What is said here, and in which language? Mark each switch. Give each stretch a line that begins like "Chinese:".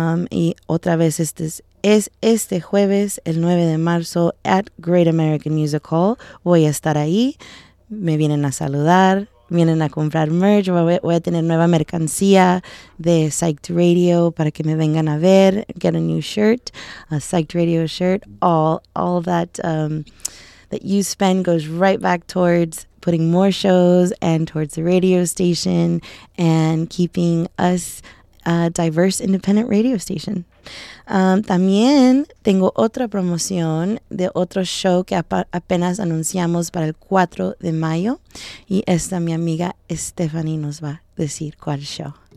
Spanish: Y otra vez, este es este jueves, el 9 de marzo, at Great American Music Hall. Voy a estar ahí. Me vienen a saludar, vienen a comprar merch. Voy a tener nueva mercancía de Psyched Radio para que me vengan a ver.
English: Get a new shirt, a Psyched Radio shirt. All that that you spend goes right back towards putting more shows and towards the radio station and keeping us a diverse independent radio station.
Spanish: También tengo otra promoción de otro show que apenas anunciamos para el 4 de mayo. Y esta mi amiga Stephanie nos va a decir cuál show.